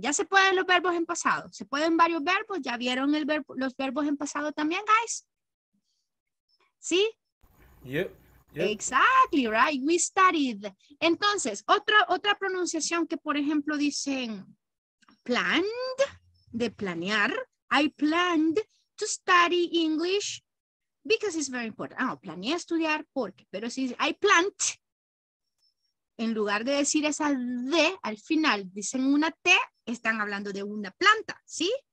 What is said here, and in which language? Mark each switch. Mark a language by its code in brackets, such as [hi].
[es] Ya se pueden los verbos en pasado, se pueden varios verbos, ¿ya vieron los verbos en pasado también, guys? ¿Sí? [en] Yep. Exactly, right? We studied. [es] Entonces, otra pronunciación que, por ejemplo, dicen planned, de planear. [en] I planned to study English because it's very important. [es] Ah, oh, planeé estudiar porque. Pero si [en] I planned, [es] en lugar de decir esa D al final, dicen una T, están hablando de una planta, ¿sí?